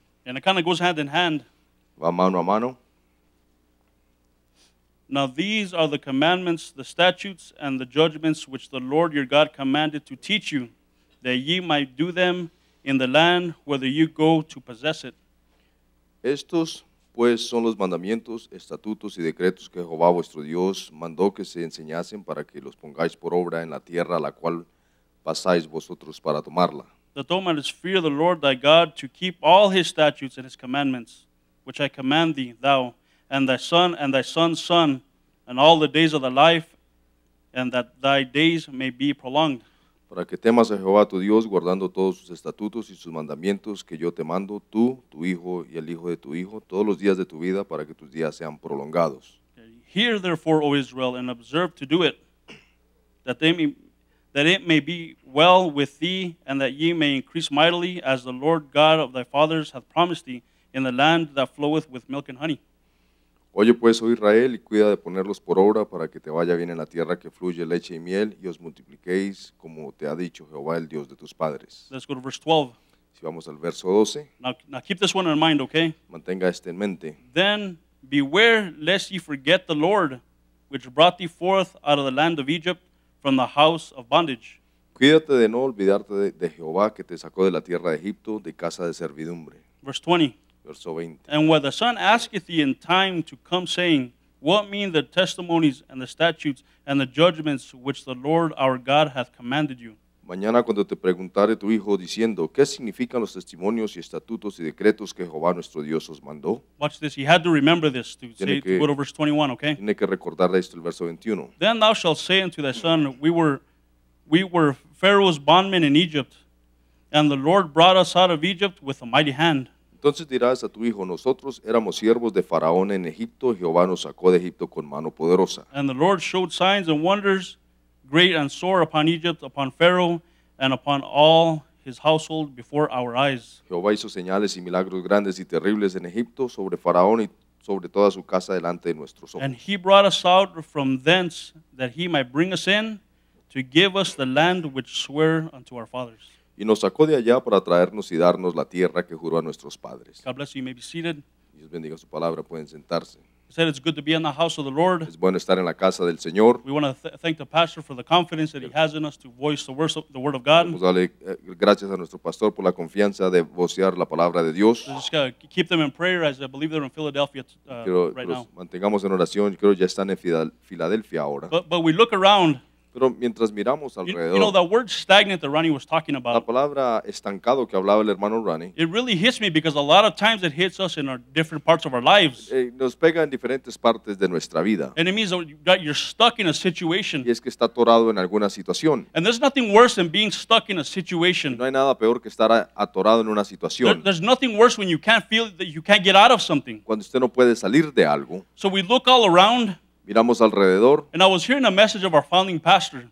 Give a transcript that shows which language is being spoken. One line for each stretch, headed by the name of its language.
English: And it kind of goes hand in hand.
Spanish: Va mano a mano.
English: Now these are the commandments, the statutes, and the judgments which the Lord your God commanded to teach you, that ye might do them in the land, whether you go to possess it.
Spanish: Estos, pues, son los mandamientos, estatutos y decretos que Jehová vuestro Dios mandó que se enseñasen para que los pongáis por obra en la tierra a la cual pasáis vosotros para tomarla.
English: That thou mightest fear the Lord thy God to keep all his statutes and his commandments, which I command thee, thou, and thy son's son, and all the days of thy life, and that thy days may be prolonged.
Spanish: Para que temas a Jehová tu Dios, guardando todos sus estatutos y sus mandamientos que yo te mando, tú, tu hijo y el hijo de tu hijo, todos los días de tu vida, para que tus días sean prolongados.
English: Hear therefore, O Israel, and observe to do it, that it may be well with thee, and that ye may increase mightily, as the Lord God of thy fathers hath promised thee, in the land that floweth with milk and honey.
Spanish: Oye pues, oh Israel, y cuida de ponerlos por obra para que te vaya bien en la tierra que fluye leche y miel y os multipliquéis como te ha dicho Jehová, el Dios de tus padres.
English: Let's go to verse 12.
Spanish: Si vamos al verso 12.
English: Now keep this one in mind, okay?
Spanish: Mantenga este en mente.
English: Then beware lest ye forget the Lord which brought thee forth out of the land of Egypt from the house of bondage.
Spanish: Cuídate de no olvidarte de Jehová que te sacó de la tierra de Egipto de casa de servidumbre.
English: Verse 20.
Spanish: Verso 20.
English: And what the Son asketh thee in time to come, saying, what mean the testimonies and the statutes and the judgments which the Lord our God hath commanded you?
Spanish: Mañana cuando te preguntare tu hijo diciendo, ¿qué significan los testimonios y estatutos y decretos que Jehová nuestro Dios os mandó?
English: Watch this. He had to remember this to say it, to go to verse 21, okay?
Spanish: Tiene que recordar esto el verso 21.
English: Then thou shalt say unto thy son, we were Pharaoh's bondmen in Egypt, and the Lord brought us out of Egypt with a mighty hand.
Spanish: Entonces dirás a tu hijo, nosotros éramos siervos de Faraón en Egipto, Jehová nos sacó de Egipto con mano poderosa.
English: And the Lord showed signs and wonders, great and sore upon Egypt, upon Pharaoh, and upon all his household before our eyes.
Spanish: Jehová hizo señales y milagros grandes y terribles en Egipto sobre Faraón y sobre toda su casa delante de nuestros ojos.
English: And he brought us out from thence that he might bring us in to give us the land which swore unto our fathers.
Spanish: Y nos sacó de allá para traernos y darnos la tierra que juró a nuestros padres.
English: God bless you. You may be seated.
Spanish: Dios bendiga su palabra. Pueden sentarse.
English: He said it's good to be in the house of the Lord.
Spanish: Es bueno estar en la casa del Señor.
English: We want to thank the pastor for the confidence that he has in us to voice the word of God.
Spanish: Vamos a darle gracias a nuestro pastor por la confianza de vocear la palabra de Dios.
English: So just keep them in prayer as I believe they're in Philadelphia right now.
Spanish: Mantengamos en oración. Creo ya están en Filadelfia ahora.
English: But we look around.
Spanish: Pero mientras miramos alrededor,
English: you know, the word stagnant that Ronnie was talking about,
Spanish: la palabra estancado que hablaba el hermano Ronnie,
English: it really hits me because a lot of times it hits us in our different parts of our lives.
Spanish: Nos pega en diferentes partes de nuestra vida.
English: And it means that you're stuck in a situation.
Spanish: Y es que está atorado en alguna situación.
English: And there's nothing worse than being stuck in a situation.
Spanish: No hay nada peor que estar atorado en una situación.
English: There's nothing worse when you can't feel that you can't get out of something.
Spanish: Cuando usted no puede salir de algo.
English: So we look all around.
Spanish: Miramos alrededor.
English: And I was hearing a message of our founding pastor.